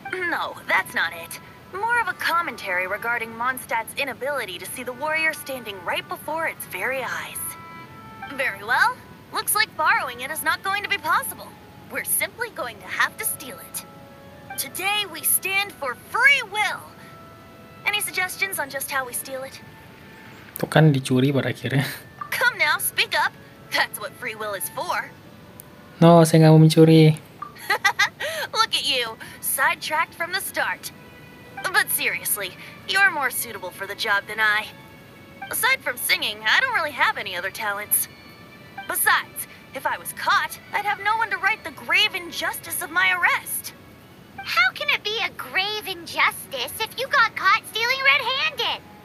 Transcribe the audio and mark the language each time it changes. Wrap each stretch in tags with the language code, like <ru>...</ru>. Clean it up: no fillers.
<en>No, that's not it. More of a commentary regarding Mondstadt's inability to see the warrior standing right before its very eyes. Very well. Looks like borrowing it is not going to be possible. We're simply going to have to steal it. Today we stand for free will. Any suggestions on just how we steal it?</en> <id>Itu kan dicuri pada akhirnya.</id> <en>Come now, speak up. That's what free will is for.</en> <id>No, saya nggak mau mencuri.</id> <en>Look at you, sidetracked from the start. But seriously, you're more suitable for the job than I. Aside from singing, I don't really have any other talents. Besides, if I was caught, I'd have no one to right the grave injustice of my arrest. How can it be a grave injustice if you got caught stealing red-handed?</en>